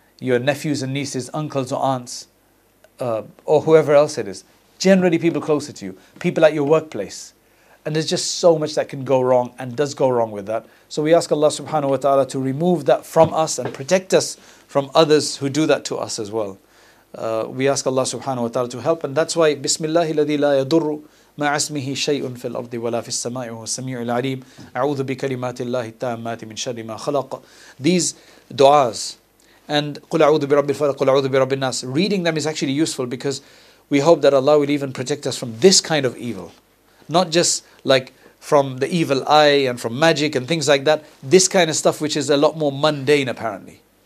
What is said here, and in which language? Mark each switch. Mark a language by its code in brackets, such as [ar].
[en] Your nephews and nieces, uncles or aunts, or whoever else it is. Generally people closer to you, people at your workplace. And there's just so much that can go wrong and does go wrong with that. So we ask Allah subhanahu wa ta'ala to remove that from us and protect us from others who do that to us as well. We ask Allah subhanahu wa ta'ala to help. And that's why, [ar] Bismillah الذي لا يضر مع اسمه شيء في الأرض ولا في السماء وهو السميع العليم أعوذ بكلمات الله التامات من شر ما خلق. [en] These du'as and [ar] قل أعوذ برب الفلق قل أعوذ برب الناس, [en] reading them is actually useful, because we hope that Allah will even protect us from this kind of evil, not just like from the evil eye and from magic and things like that, this kind of stuff which is a lot more mundane apparently.